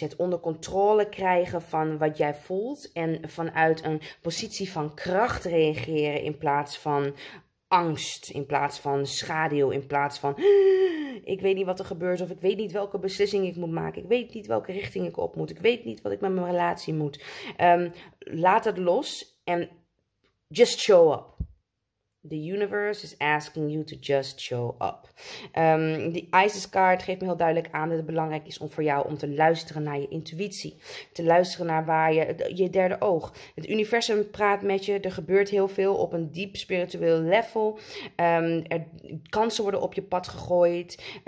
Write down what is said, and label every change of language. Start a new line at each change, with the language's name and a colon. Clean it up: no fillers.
Dutch: Het onder controle krijgen van wat jij voelt en vanuit een positie van kracht reageren in plaats van angst, in plaats van schaduw, in plaats van ik weet niet wat er gebeurt of ik weet niet welke beslissing ik moet maken. Ik weet niet welke richting ik op moet. Ik weet niet wat ik met mijn relatie moet. Laat het los en
English: just show up. The universe is asking you to just show up.
Dutch: Die Isis card geeft me heel duidelijk aan dat het belangrijk is om voor jou om te luisteren naar je intuïtie. Te luisteren naar waar je derde oog. Het universum praat met je. Er gebeurt heel veel op een diep spiritueel level. Er kansen worden op je pad gegooid.